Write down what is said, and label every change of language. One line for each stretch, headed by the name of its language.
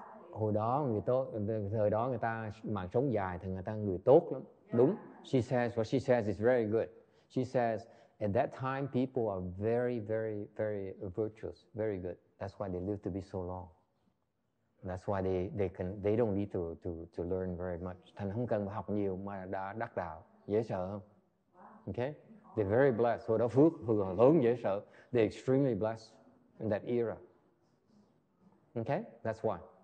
Vietnamese: Hồi đó người tốt, thời đó người ta mạng sống dài thì người ta người tốt lắm. Đúng.
English: She says what she says is very good. She says at that time people are very, very, very virtuous, very good. That's why they live to be so long. That's why they don't need to learn very much.
Vietnamese: Thành không cần học nhiều mà đã đắc đạo, dễ sợ không? Okay?
English: They're very blessed.
Vietnamese: Hồi đó phước vừa lớn dễ sợ.
English: They're extremely blessed in that era. Okay? That's why.